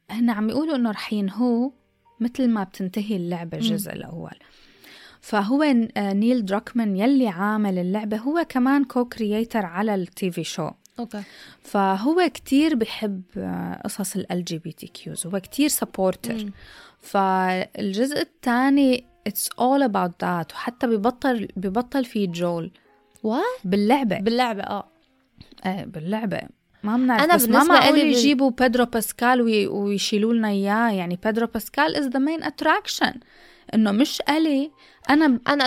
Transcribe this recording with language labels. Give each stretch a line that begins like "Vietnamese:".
Arabic: هنا عم يقولوا أنه رح ينهو مثل ما بتنتهي اللعبة الجزء الأول. فهو نيل دروكمان يلي عامل اللعبة هو كمان كوكرييتر على التي في شو. أوكي. فهو كتير بحب قصص الـ LGBTQ هو كتير سبورتر. فالجزء الثاني
English: it's all about that.
Arabic: وحتى ببطل في جول باللعبة باللعبة ايه باللعبة ما منعرف أنا بس ما معقول يجيبوا بيدرو باسكال ويشيلولنا اياه. يعني بيدرو باسكال
English: is the main attraction
Arabic: انه مش ألي انا